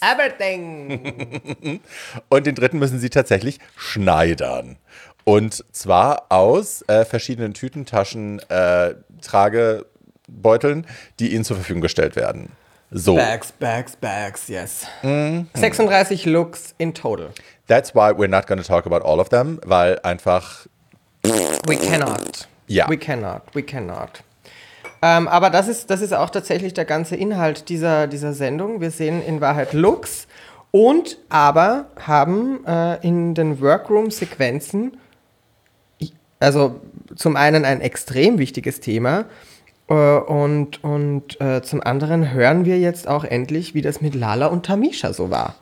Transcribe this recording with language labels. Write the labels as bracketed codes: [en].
[en] Everything. [de] Und den dritten müssen sie tatsächlich schneidern. Und zwar aus verschiedenen Tütentaschen, Tragebeuteln, die ihnen zur Verfügung gestellt werden. So. [en] Bags, bags, bags, yes. Mm-hmm. 36 Looks in total. That's why we're not going to talk about all of them, [de] weil einfach... [en] We cannot. [de] Ja. [en] We cannot, we cannot. [de] Aber das ist auch tatsächlich der ganze Inhalt dieser Sendung. Wir sehen in Wahrheit Looks und aber haben in den Workroom-Sequenzen, also zum einen ein extrem wichtiges Thema und zum anderen hören wir jetzt auch endlich, wie das mit Lala und Tamisha so war.